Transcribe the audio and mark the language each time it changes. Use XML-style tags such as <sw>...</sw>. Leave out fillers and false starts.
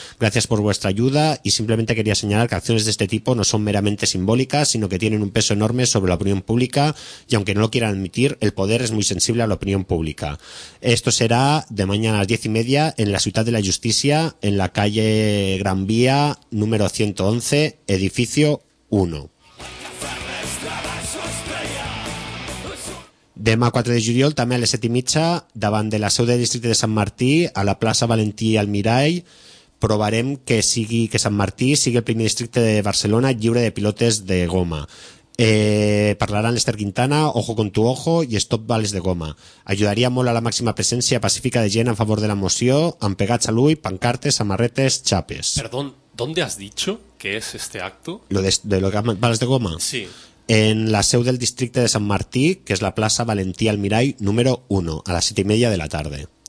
<es>Gracias por vuestra ayuda y simplemente quería señalar que acciones de este tipo no son meramente simbólicas, sino que tienen un peso enorme sobre la opinión pública y, aunque no lo quieran admitir, el poder es muy sensible a la opinión pública. Esto será de mañana a las 10:30 en la Ciutat de la Justícia, en la calle Gran Vía, número 111, edificio 1.</es> <ca>Demà 4 de juliol també a les 7 i mitja davant de la seu del districte de Sant Martí a la plaça Valentí Almirall provarem que sigui que Sant Martí sigui el primer districte de Barcelona lliure de pilotes de goma. Parlaran l'Ester Quintana, Ojo con tu ojo i Stop Bales de goma. Ajudaria molt a la màxima presència pacífica de gent en favor de la moció, amb pegats a l'ull, pancartes, samarretes, xapes.</ca> <es>Perdón, ¿dónde has dicho que es este acto? Lo de Bales de goma? Sí.</es> <ca>En la seu del districte de Sant Martí, que és la plaça Valentí Almirall, número 1, a les 7 i media de la tarda.</ca>